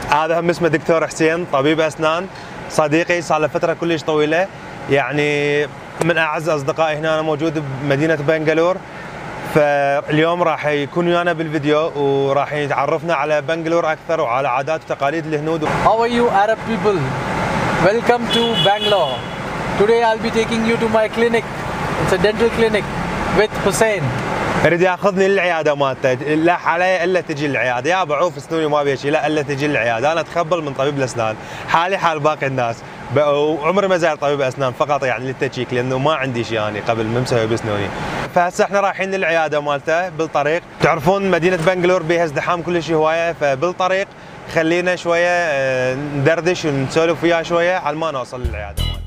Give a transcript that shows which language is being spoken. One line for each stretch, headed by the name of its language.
Arabic: هذا هم اسمه دكتور حسين، طبيب اسنان صديقي، صار له فتره كلش طويله، يعني من اعز اصدقائي هنا. انا موجود بمدينه بنغالور، فاليوم راح يكون ويانا بالفيديو وراح يتعرفنا على بنغالور اكثر وعلى عادات وتقاليد الهنود.
English: How are you Arab people? Welcome to Bangalore. Today I'll be taking you to my clinic. It's a dental clinic with Hussein.
Arabic: اريد ياخذني للعياده مالته، لا علي الا تجي العياده، يا بعوف اسنوني ما ابي شيء، لا الا تجي العياده، انا اتخبل من طبيب الاسنان، حالي حال باقي الناس، وعمري ما زار طبيب اسنان فقط يعني للتشيك لانه ما عندي شيء يعني قبل ما مسوي بسنوني. فهسه احنا رايحين للعياده مالته بالطريق، تعرفون مدينه بنغالور بيها ازدحام كل شيء هوايه، فبالطريق خلينا شويه ندردش ونسولف وياه شويه على ما نوصل للعياده.